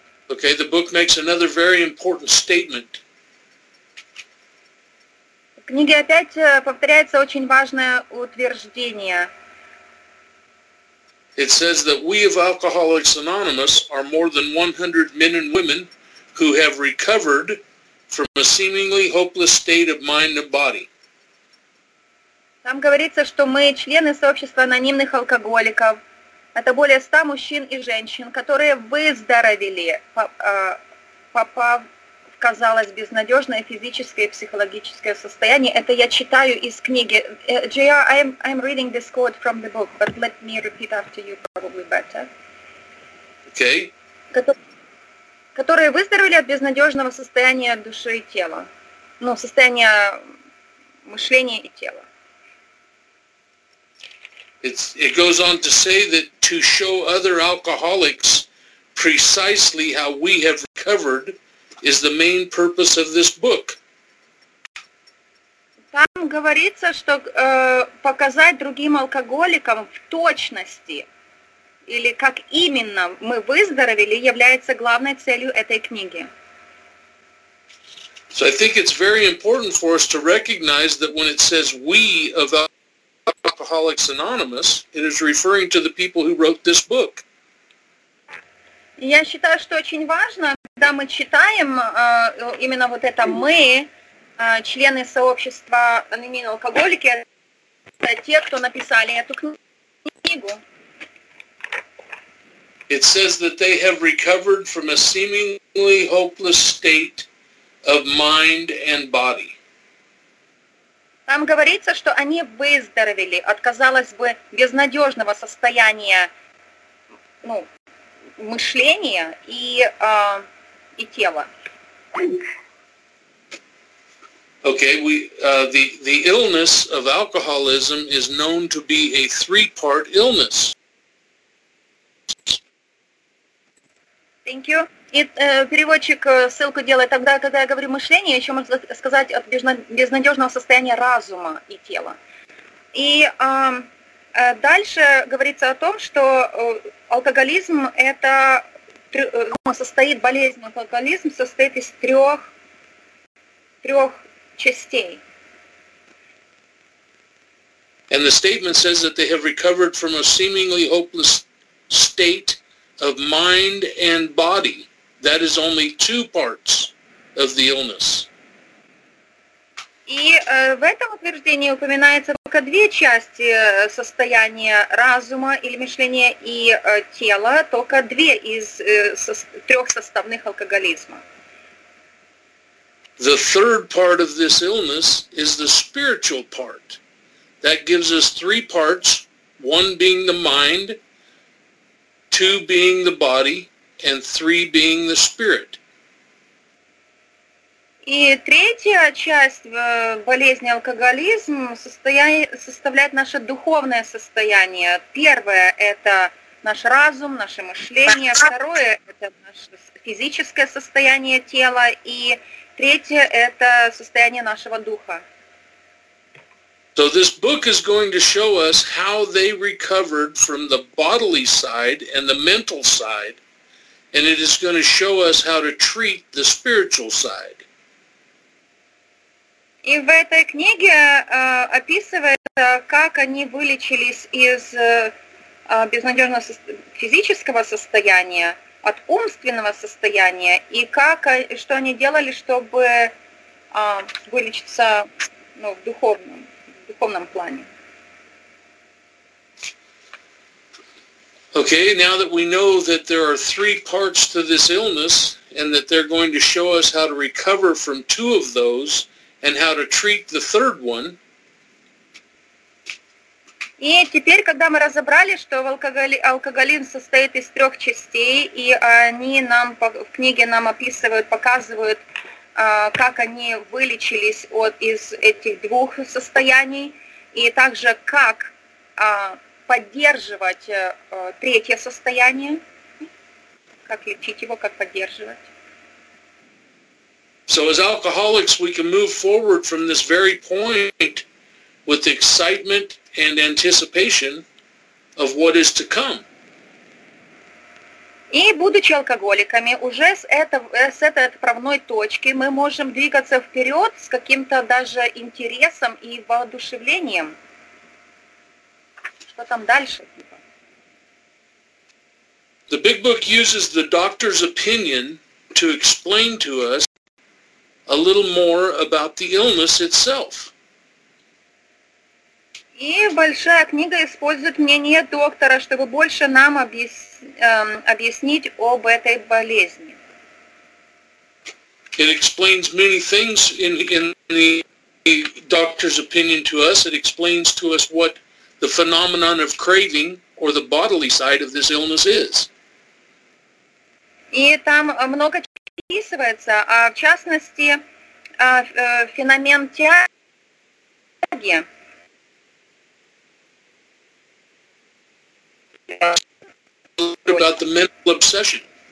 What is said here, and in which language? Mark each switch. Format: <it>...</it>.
<en>Okay, the book makes another very important statement.</en> <ru>В книге опять повторяется очень важное утверждение.</ru> <en>It says that we of Alcoholics Anonymous are more than 100 men and women who have recovered from a seemingly hopeless state of mind and body.</en> <ru>Там говорится, что мы члены сообщества анонимных алкоголиков. Это более 100 мужчин и женщин, которые выздоровели, попав в, казалось, безнадежное физическое и психологическое состояние. Это я читаю из книги.</ru> <en>JR, I'm reading this quote from the book, but let me repeat after you probably better. Okay.</en> <ru>Которые выздоровели от безнадежного состояния души и тела. Ну, состояния мышление и тело.</ru> <en>It goes on to say that to show other alcoholics precisely how we have recovered is the main purpose of this book.</en> <ru>Там говорится, что показать другим алкоголикам в точности или как именно мы выздоровели является главной целью этой книги.</ru> <en>So I think it's very important for us to recognize that when it says we of Alcoholics Anonymous, it is referring to the people who wrote this book.</en> <ru>Я считаю, что очень важно, когда мы читаем именно вот это мы, члены сообщества анонимные алкоголики, это те, кто написали эту книгу.</ru> <en>It says that they have recovered from a seemingly hopeless state of mind and body.</en> <ru>Там говорится, что они выздоровели от, казалось бы, безнадежного состояния, ну, мышления и тела.</ru> <en>Okay, the illness of alcoholism is known to be a three-part illness. Thank you.</en> <ru>И переводчик ссылку делает тогда, когда я говорю мышление, еще можно сказать от безнадежного состояния разума и тела. И дальше говорится о том, что алкоголизм это состоит болезнь. Алкоголизм состоит из трех частей.</ru> <en>And the statement says that they have recovered from a seemingly hopeless state of mind and body. That is only two parts of the illness.</en> <ru>И в этом утверждении упоминается только две части состояния разума или мышления и тела, только две из трех составных алкоголизма.</ru> <en>The third part of this illness is the spiritual part. That gives us three parts, one being the mind, two being the body, and three being the spirit.</en> <ru>И третья часть болезни алкоголизм составляет наше духовное состояние. Первое – это наш разум, наше мышление. Второе – это наше физическое состояние тела. И третье – это состояние нашего духа.</ru> <en>So this book is going to show us how they recovered from the bodily side and the mental side. And it is going to show us how to treat the spiritual side.</en> <ru>И в этой книге описывается, как они вылечились из безнадежного физического состояния, от умственного состояния, и как, что они делали, чтобы вылечиться, ну, в духовном плане.</ru> <en>Okay, now that we know that there are three parts to this illness and that they're going to show us how to recover from two of those and how to treat the third one.</en> <ru>И теперь, когда мы разобрали, что алкоголизм состоит из трех частей, и они нам в книге нам описывают, показывают, как они вылечились из этих двух состояний, и также как поддерживать третье состояние, как лечить его, как поддерживать.</ru> <en>So as alcoholics, we can move forward from this very point with excitement and anticipation of what is to come.</en> <ru>И будучи алкоголиками, уже с этой отправной точки мы можем двигаться вперед с каким-то даже интересом и воодушевлением.</ru> <en>The Big Book uses the doctor's opinion to explain to us a little more about the illness itself.</en> <ru>И большая книга использует мнение доктора, чтобы больше нам объяснить об этой болезни.</ru> <en>It explains many things in the doctor's opinion to us. It explains to us what the phenomenon of craving, or the bodily side of this illness, is.</en> <ru>И там много описывается, в частности, феномен тяги, Праге.</ru> <en>About the mental obsession.</en>